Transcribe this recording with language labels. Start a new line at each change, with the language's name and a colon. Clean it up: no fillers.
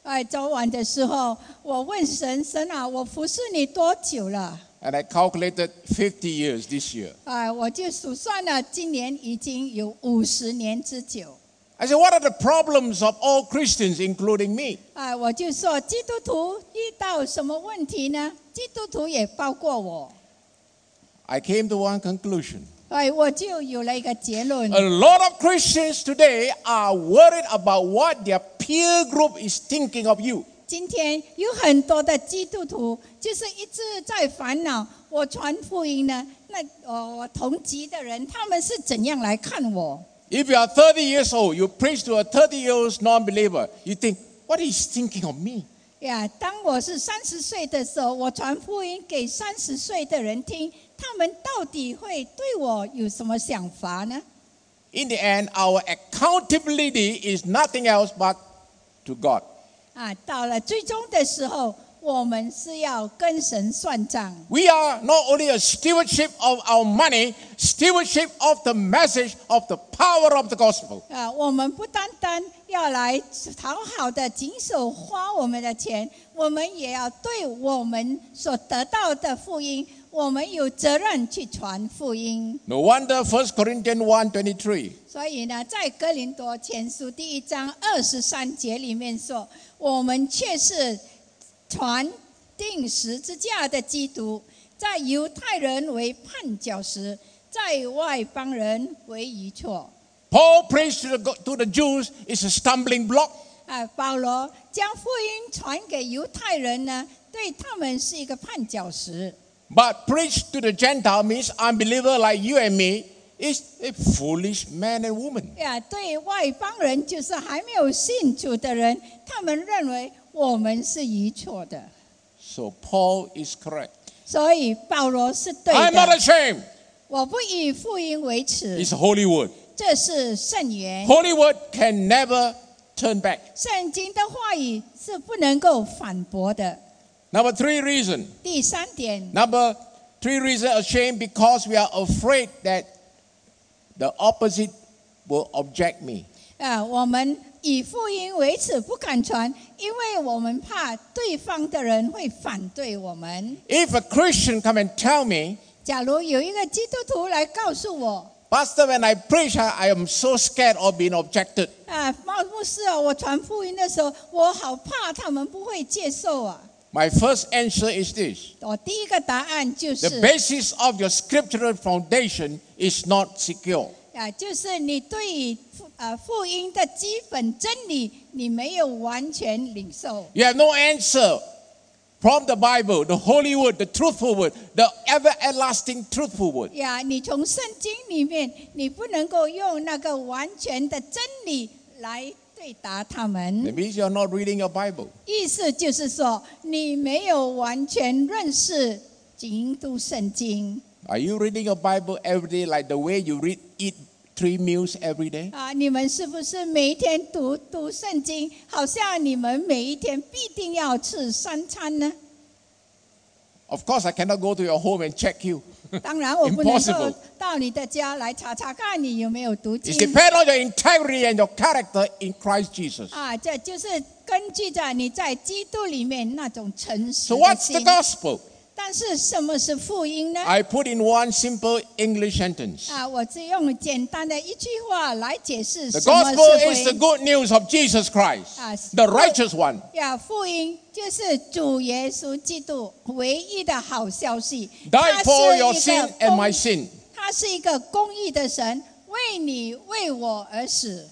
Chinese: 昨晚的时候，我问神，神啊，我服侍你多久了
English: ？And I calculated 50 years this year.
Chinese: 我就数算了，今年已经有五十年之久。
English: I said, what are the problems of all Christians, including me?
Chinese: 我就说基督徒遇到什么问题呢？基督徒也包括我。
English: I came to one conclusion.
Chinese: 我就有了一个结论。
English: A lot of Christians today are worried about what their peer group is thinking of you.
Chinese: 今天有很多的基督徒就是一直在烦恼，我传福音呢，那我同级的人他们是怎样来看我？
English: If you are 30 years old, you preach to a 30-year-old non-believer, you think, what is he thinking of me?
Chinese: Yeah, 当我是30岁的时候，我传福音给30岁的人听，他们到底会对我有什么想法呢？
English: In the end, our accountability is nothing else but to God.
Chinese: 到了最终的时候，我们是要跟神算账。
English: We are not only a stewardship of our money, stewardship of the message of the power of the gospel.
Chinese: 我们不单单要来讨好的谨守花我们的钱，我们也要对我们所得到的福音，我们有责任去传福音。
English: No wonder 1 Corinthians 1:23.
Chinese: 所以呢，在哥林多前书第一章二十三节里面说，我们却是传钉十字架的基督，在犹太人为绊脚石，在外邦人为愚拙。
English: Paul preached to the Jews is a stumbling block.
Chinese: 保罗将福音传给犹太人呢，对他们是一个绊脚石。
English: But preach to the Gentile means unbeliever like you and me is a foolish man and woman.
Chinese: 对外邦人就是还没有信主的人，他们认为我们是愚蠢的。
English: So Paul is correct.
Chinese: 所以保罗是对的。
English: I'm not ashamed.
Chinese: 我不以福音为耻。
English: It's holy word.
Chinese: 这是圣言。
English: Holy word can never turn back.
Chinese: 圣经的话语是不能够反驳的。
English: Number three reason.
Chinese: 第三点。
English: Number three reason ashamed because we are afraid that the opposite will object me.
Chinese: 我们以福音为耻不敢传，因为我们怕对方的人会反对我们。
English: If a Christian come and tell me,
Chinese: 假如有一个基督徒来告诉我，
English: Pastor, when I preach, I am so scared of being objected.
Chinese: 牧师啊，我传福音的时候，我好怕他们不会接受啊。
English: My first answer is this.
Chinese: 我第一个答案就是
English: The basis of your scriptural foundation is not secure.
Chinese: 就是你对福音的基本真理你没有完全领受。
English: You have no answer from the Bible, the holy word, the truthful word, the ever everlasting truthful word.
Chinese: 你从圣经里面你不能够用那个完全的真理来对答他们。
English: That means you're not reading your Bible.
Chinese: 意思就是说，你没有完全认识基督圣经。
English: Are you reading your Bible every day like the way you read eat three meals every day?
Chinese: 你们是不是每天读圣经，好像你们每一天必定要吃三餐呢？
English: Of course, I cannot go to your home and check you.
Chinese: 当然，我不能够到你的家来查查看你有没有读经。
English: It depends on your integrity and your character in Christ Jesus.
Chinese: 这就是根据着你在基督里面那种诚实的心。
English: So what's the gospel?
Chinese: 但是什么是福音呢？
English: I put in one simple English sentence.
Chinese: 我只用简单的一句话来解释什么是福音。
English: The gospel is the good news of Jesus Christ, the righteous one.
Chinese: 福音就是主耶稣基督唯一的好消息。
English: Die for your sin and my sin.
Chinese: 他是一个公义的神，为你为我而死。